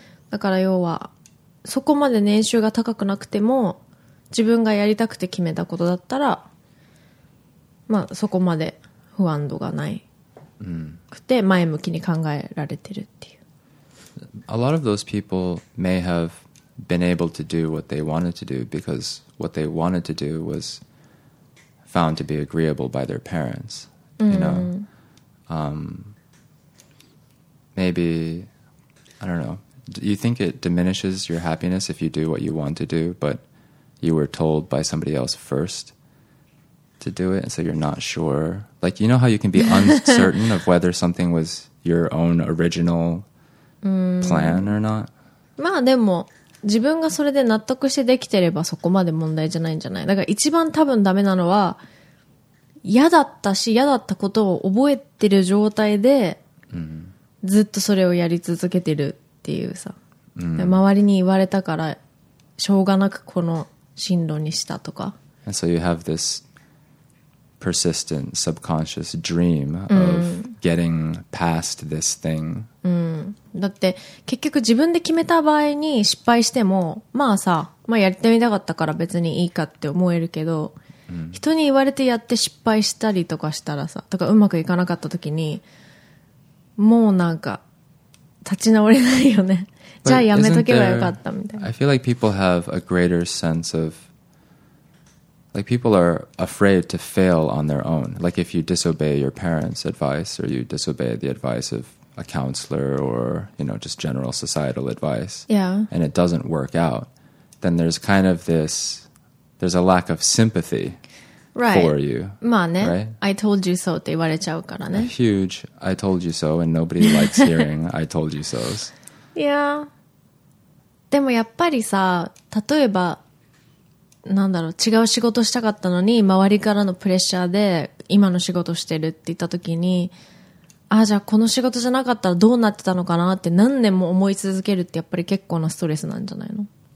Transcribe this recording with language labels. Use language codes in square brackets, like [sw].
[ja] だから要はそこまで年収が高くなくても自分がやりたくて決めたことだったら、まあそこまで不安度がないくて前向きに考えられてるっていう。 [en] A lot of those people may have been able to do what they wanted to do because what they wanted to do was found to be agreeable by their parents. You know,、maybe I don't know. Do you think it diminishes your happiness if you do what you want to do, but you were told by somebody else first to do it, and so you're not sure. Like, you know how you can be uncertain of whether something was your own original plan or not? [ja] まあでも、自分がそれで納得してできてればそこまで問題じゃないんじゃない？だから一番多分ダメなのは、嫌だったし、嫌だったことを覚えてる状態で、ずっとそれをやり続けてるっていうさ。周りに言われたから、しょうがなくこの、進路にしたとか。 [en] And so you have this persistent subconscious dream of getting past this thing. [ja] だって結局自分で決めた場合に失敗しても、まあさ、まあやってみたかったから別にいいかって思えるけど、人に言われてやって失敗したりとかしたらさ、とかうまくいかなかった時にもうなんか立ち直れないよね。 [en] I feel like people have a greater sense of, like, people are afraid to fail on their own. Like, if you disobey your parents' advice, or you disobey the advice of a counselor, or, you know, just general societal advice, and it doesn't work out, then there's kind of this, there's a lack of sympathy for you. [ja] まあね、 [en] right? I told you so [ja] って言われちゃうからね。 [en] A huge I told you so, and nobody likes hearing I told you so's. [ja] いや、でもやっぱりさ、例えばなんだろう、違う仕事したかったのに周りからのプレッシャーで今の仕事してるって言った時に、ああじゃあこの仕事じゃなかったらどうなってたのかなって何年も思い続けるってやっぱり結構なストレスなんじゃないの？